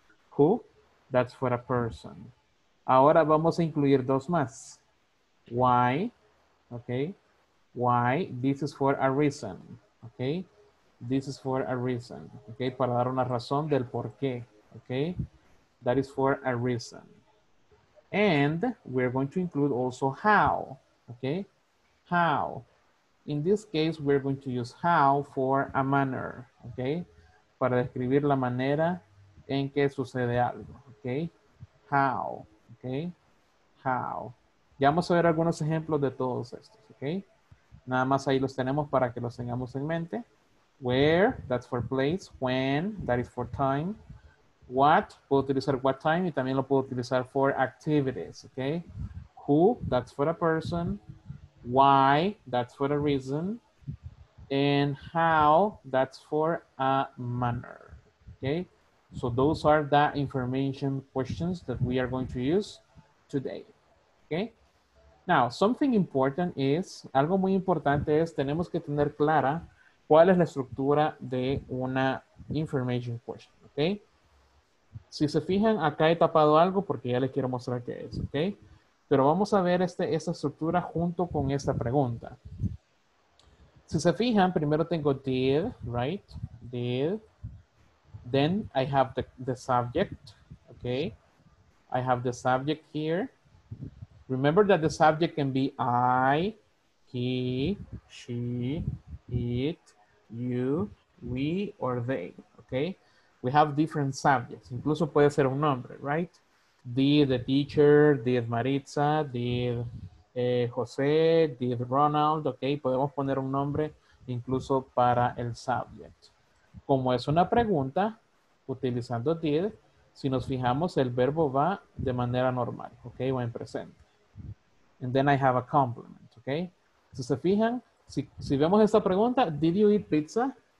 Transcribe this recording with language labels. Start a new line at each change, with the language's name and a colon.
English: Who, that's for a person.
Spanish: Ahora vamos a incluir dos más.
English: Why, ok. Why, this is for a reason, ok. This is for a reason, ok.
Spanish: Para dar una razón del por qué, ok.
English: That is for a reason. And we're going to include also how, ok. How. In this case, we're going to use how for a manner, ok.
Spanish: Para describir la manera en que sucede algo, ok. How. Ok, how. Ya vamos a ver algunos ejemplos de todos estos, ok. Nada más ahí los tenemos para que los tengamos en mente.
English: Where, that's for place. When, that is for time.
Spanish: What, puedo utilizar what time y también lo puedo utilizar
English: for activities,
Spanish: ok.
English: Who, that's for a person. Why, that's for a reason. And how, that's for a manner, ok. So those are the information questions that we are going to use today. Okay. Now, something important is,
Spanish: algo muy importante es, tenemos que tener clara cuál es la estructura de una information question. Okay. Si se fijan, acá he tapado algo porque ya les quiero mostrar qué es. Okay. Pero vamos a ver esta estructura junto con esta pregunta. Si se fijan, primero tengo did, right? Did.
English: Then I have the subject, okay? I have the subject here. Remember that the subject can be I, he, she, it, you, we, or they, okay? We have different subjects.
Spanish: Incluso puede ser un nombre,
English: right? Did the teacher, did Maritza, did José, did Ronald, okay?
Spanish: Podemos poner un nombre incluso para el subject. Como es una pregunta, utilizando did, si nos fijamos, el verbo va de manera normal, ok, o en presente.
English: And then I have a complement, ok.
Spanish: Si se fijan, si vemos esta pregunta,
English: did you eat pizza?